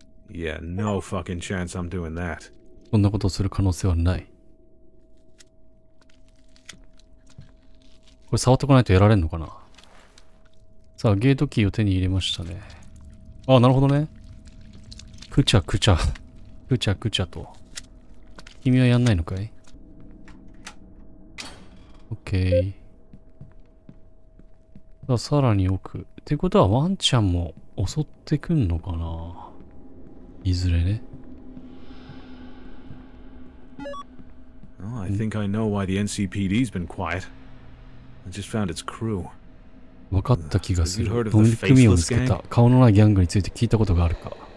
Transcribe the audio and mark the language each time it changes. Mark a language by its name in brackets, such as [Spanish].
[English] Yeah, no fucking chance I'm doing that. [Japanese] そんなことする可能性はない。これ触ってこないとやられんのかな。さあ、ゲートキーを手に入れましたね。ああ、なるほどね。くちゃくちゃ。くちゃくちゃと。君はやんないのかい？ [English] OK。 [Japanese] さあ、さらに奥。ってことはワンちゃんも襲ってくんのかな。いずれね。 [English] Oh, I think I know why the NCPD's been quiet. I just found its crew. [Japanese] わかった気がする。どんな組を見つけた。顔のないギャングについて聞いたことがあるか。